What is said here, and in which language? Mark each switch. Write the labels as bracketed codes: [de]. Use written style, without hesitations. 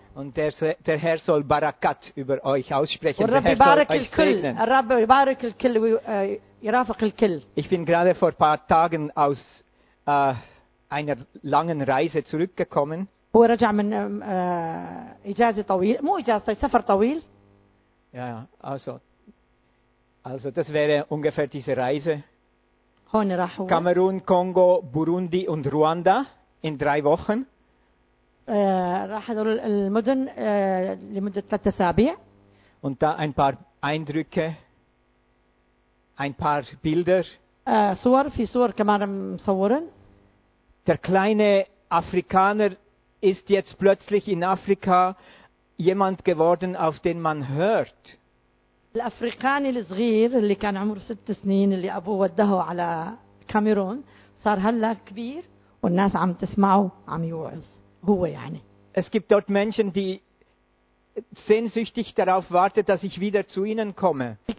[de] Und der Herr soll Barakat über euch aussprechen. [ar] والرب يبارك الكل. الرب يبارك الكل ويرافق الكل. [de] Ich bin gerade vor ein paar Tagen aus einer langen Reise zurückgekommen. [ar] هو رجع من إجازة طويل. مو إجازة سفر طويل. [de] Ja, also das wäre ungefähr diese Reise. [ar] هون راحوا. [de] Kamerun, Kongo, Burundi und Ruanda in 3 Wochen. [ar] راح هذول المدن لمدة 3 أسابيع. [de] Und da ein paar Eindrücke, ein paar Bilder. [ar] صور في صور كمان مصورين. [de] Der kleine Afrikaner ist jetzt plötzlich in Afrika jemand geworden, auf den man hört. [ar] الأفريقاني الصغير اللي كان عمره 6 سنين اللي أبوه وده على كاميرون صار هلا كبير والناس عم تسمعه عم يوعظ. [de] Es gibt dort Menschen, die sehnsüchtig darauf warten, dass ich wieder zu ihnen komme.